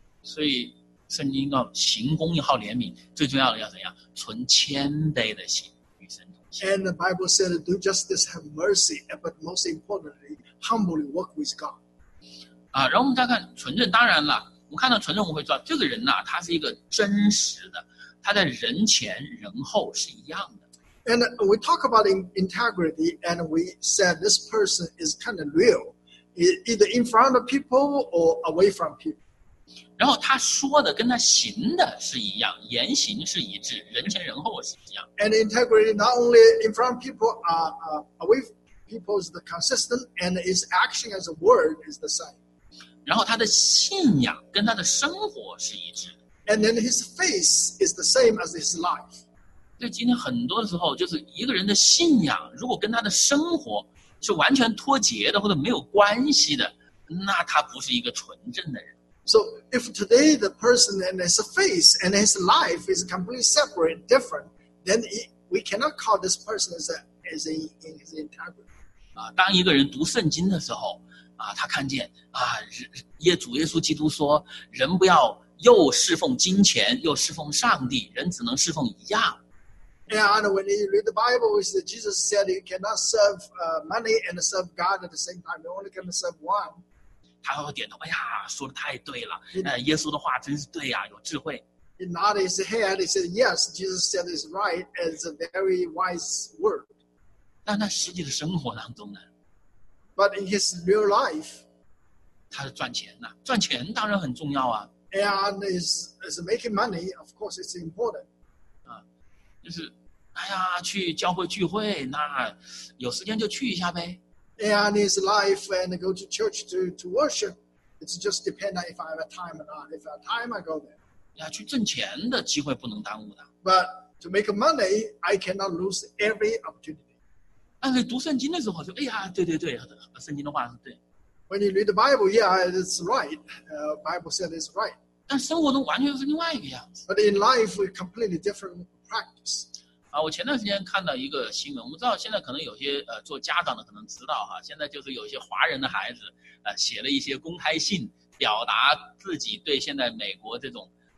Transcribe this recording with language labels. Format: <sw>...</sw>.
<zh>所以圣经要行公义，好怜悯，最重要的要怎样？存谦卑的心与神同行。</zh> <en>And the Bible said, "Do justice, have mercy, but most importantly, humbly walk with God."</en> <zh>然后我们再看纯正。当然了，我们看到纯正，我们会知道这个人呐、他是一个真实的，他在人前人后是一样的。</zh> <en>And we talk about integrity, and we said this person is kind of real, either in front of people or away from people.</en> <zh>然后他说的跟他行的是一样，言行是一致，人前人后是一样。</zh> <en>And integrity not only in front of people, away from people is the consistent, and his action as a word is the same.</en> <zh>然后他的信仰跟他的生活是一致。</zh> <en>And then his faith is the same as his life.</en> <zh>对，今天很多的时候，就是一个人的信仰，如果跟他的生活是完全脱节的，或者没有关系的，那他不是一个纯正的人。</zh> <en>So if today the person and his faith and his life is completely separate, different, then we cannot call this person as in his integrity.</en> <zh>当一个人读圣经的时候，他看见耶主耶稣基督说，人不要又侍奉金钱，又侍奉上帝，人只能侍奉一样。</zh> <en>And when you read the Bible, it's that Jesus said you cannot serve money and serve God at the same time. You only can serve one.</en> <zh>他会点头，哎呀，说的太对了。耶稣的话真是对呀，有智慧。</zh> <en>He nodded his head. He said, "Yes, Jesus said it's right. It's a very wise word."</en> <zh>但在实际的生活当中呢</zh> <en>？But in his real life,</en> <zh>他是赚钱呐、啊，赚钱当然很重要啊。</zh> <en>And is making money, of course, it's important.</en> <zh>啊，就是，哎呀，去教会聚会，那有时间就去一下呗。</zh> <en>And his life and go to church to worship, it's just depend on if I have a time or not. If I have time, I go there.</en> <zh>要去挣钱的机会不能耽误的。</zh> <en>But to make money, I cannot lose every opportunity.</en> <zh>但是读圣经的时候，就哎呀，对对对，圣经的话是对。</zh> <en>When you read the Bible, yeah, it's right. Bible said it's right.</en> <zh>但生活中完全是另外一个样子。</zh> <en>But in life, we completely different practice.</en> <zh>啊，我前段时间看到一个新闻，我们知道现在可能有些做家长的可能知道哈，现在就是有些华人的孩子写了一些公开信，表达自己对现在美国这种。</zh>